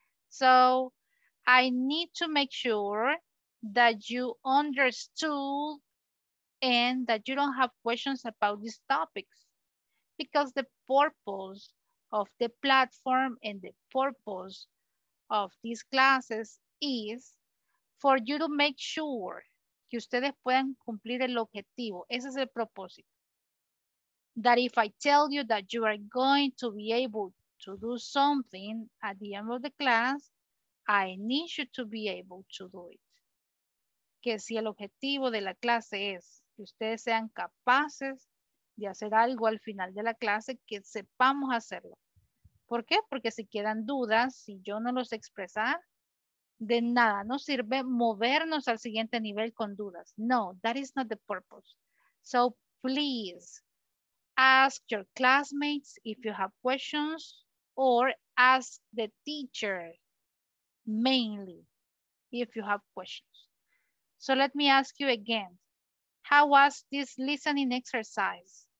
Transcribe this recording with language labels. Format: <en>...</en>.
<en>So I need to make sure that you understood and that you don't have questions about these topics, because the purpose of the platform and the purpose of these classes is for you to make sure</en> <es>que ustedes puedan cumplir el objetivo. Ese es el propósito.</es> <en>That if I tell you that you are going to be able to do something at the end of the class, I need you to be able to do it.</en> <es>Que si el objetivo de la clase es que ustedes sean capaces de hacer algo al final de la clase, que sepamos hacerlo. ¿Por qué? Porque si quedan dudas, si yo no los expresar, de nada nos sirve movernos al siguiente nivel con dudas.</es> <en>No, that is not the purpose. So please ask your classmates if you have questions, or ask the teacher mainly if you have questions. So let me ask you again. How was this listening exercise?</en>